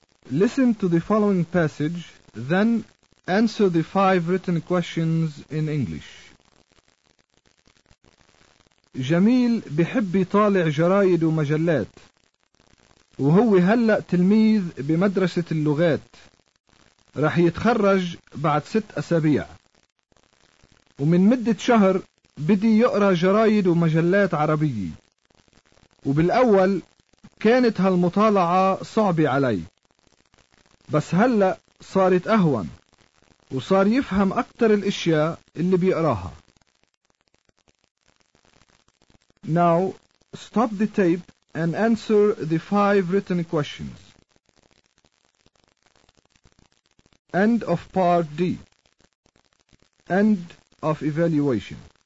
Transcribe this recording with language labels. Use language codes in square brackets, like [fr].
[en] Listen to the following passage, then answer the five written questions in English. [ar] جميل بحب يطالع جرايد ومجلات، وهو هلأ تلميذ بمدرسة اللغات، رح يتخرج بعد 6 أسابيع، ومن مدة شهر بدي يقرأ جرايد ومجلات عربية، وبالأول كانت هالمطالعة صعبة علي، بس هلأ صارت أهون وصار يفهم أكتر الأشياء اللي بيقراها. [en] Now stop the tape and answer the five written questions. End of part D. End of evaluation.